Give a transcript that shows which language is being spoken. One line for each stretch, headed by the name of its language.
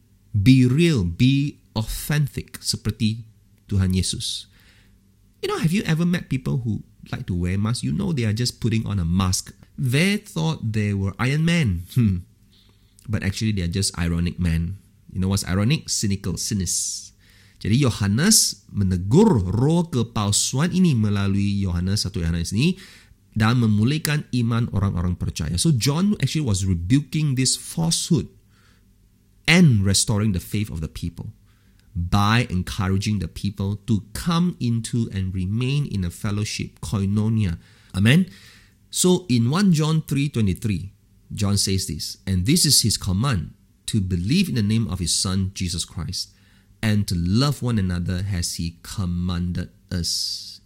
English: Be real, be authentic,
Indonesian: seperti Tuhan Yesus.
English: You know, have you ever met people who like to wear masks? You know, they are just putting on a mask. They thought they were Iron Man. But actually, they are just ironic men. You know what's ironic? Cynical, cynics.
Indonesian: Jadi, Yohanes menegur roh kepalsuan ini melalui Yohanes 1 Yohanes ini dan memulihkan iman orang-orang percaya.
English: So, John actually was rebuking this falsehood and restoring the faith of the people by encouraging the people to come into and remain in a fellowship, koinonia. Amen? So, in 1 John 3:23, John says this, and this is his command, to believe in the name of his Son, Jesus Christ, and to love one another as he commanded us.